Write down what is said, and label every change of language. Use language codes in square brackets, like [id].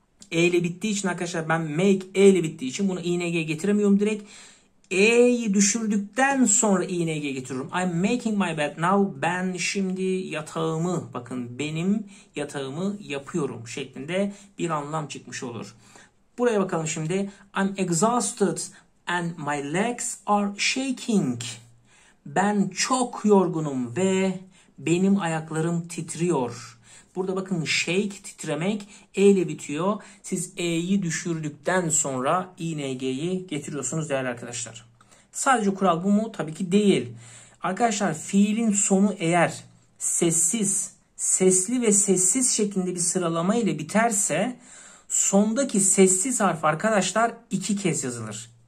[tr] E ile bittiği için arkadaşlar ben make e ile bittiği için bunu ing getiremiyorum direkt. E'yi düşürdükten sonra ing getiriyorum. [en] I'm making my bed now. [tr] Ben şimdi yatağımı, bakın benim yatağımı yapıyorum şeklinde bir anlam çıkmış olur. Buraya bakalım şimdi. [en] I'm exhausted and my legs are shaking. [tr] Ben çok yorgunum ve benim ayaklarım titriyor. Burada bakın shake, titremek e ile bitiyor. Siz e'yi düşürdükten sonra ing'yi getiriyorsunuz değerli arkadaşlar. Sadece kural bu mu? Tabii ki değil. Arkadaşlar fiilin sonu eğer sessiz, sesli ve sessiz şeklinde bir sıralama ile biterse sondaki sessiz harf arkadaşlar iki kez yazılır.